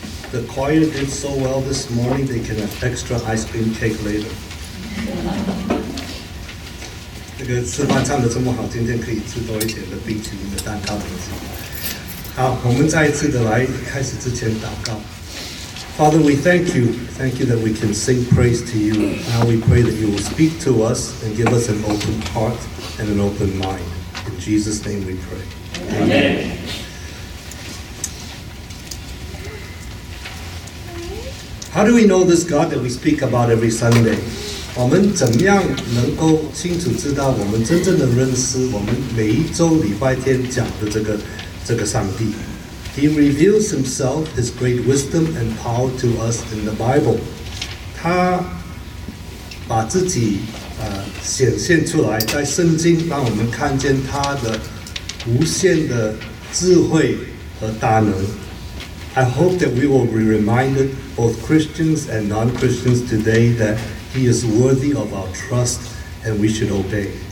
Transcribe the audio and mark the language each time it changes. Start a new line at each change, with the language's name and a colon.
English: The choir did so well this morning, they can have extra ice cream cake later.
Chinese: 这个吃饭唱得这么好，今天可以吃多一点的冰淇淋的蛋糕的。好，我们再一次的来开始之前祷告。
English: Father, we thank you that we can sing praise to you. Now we pray that you will speak to us and give us an open heart and an open mind. In Jesus' name we pray. Amen. How do we know this God that we speak about every Sunday?
Chinese: 我们怎么样能够清楚知道我们真正的认识我们每一周礼拜天讲的这个上帝？
English: He reveals himself, his great wisdom and power to us in the Bible.
Chinese: 他把自己显现出来在圣经，让我们看见他的无限的智慧和大能。
English: I hope that we will be reminded, both Christians and non-Christians today, that he is worthy of our trust and we should obey.